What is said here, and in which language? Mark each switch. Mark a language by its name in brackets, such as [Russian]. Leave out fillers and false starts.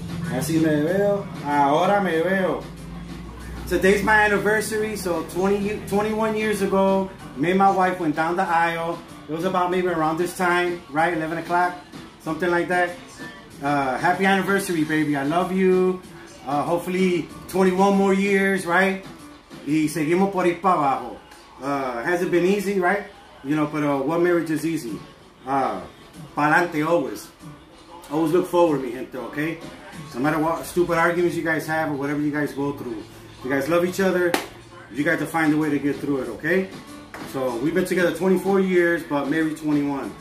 [Spanish] Así me veo. Ahora me veo. [English] Today's my anniversary. So 21 years ago, me and my wife went down the aisle. It was about maybe around this time, right? 11 o'clock, something like that. Happy anniversary, baby. I love you. Hopefully, 21 more years, right? [Spanish] Y seguimos por ahí para abajo. [English] Hasn't been easy, right? You know, but what marriage is easy? Pa'lante always. Always look forward, mi gente, okay? No matter what stupid arguments you guys have or whatever you guys go through. You guys love each other. You guys have to find a way to get through it, okay? So we've been together 24 years, but married 21.